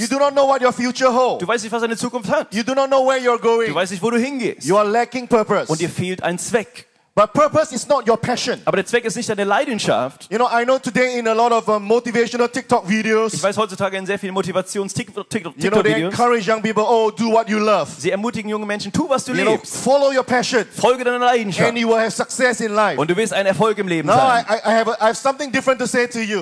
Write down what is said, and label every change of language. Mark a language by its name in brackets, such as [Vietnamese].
[English] you do not know what your future holds. [German] Du weißt nicht, was deine Zukunft hat. [English] You do not know where you're going. [German] Du weißt nicht, wo du hingehst. [English] You are lacking purpose. [German] Und dir fehlt ein Zweck. [English] But purpose is not your passion. [German] Aber der Zweck ist nicht deine Leidenschaft. [English] You know, I know today in a lot of motivational TikTok videos. [German] Ich weiß heutzutage in sehr vielen Motivations-TikTok-Videos. [English] You know, they encourage young people, oh, do what you love. [German] Sie ermutigen junge Menschen, tu was du [English] you [German] liebst. [English] Know, follow your passion. [German] Folge deiner Leidenschaft. [English] And you will have success in life. [German] Und du wirst ein Erfolg im Leben [English] no, [German] sein. [English] No, I have something different to say to you.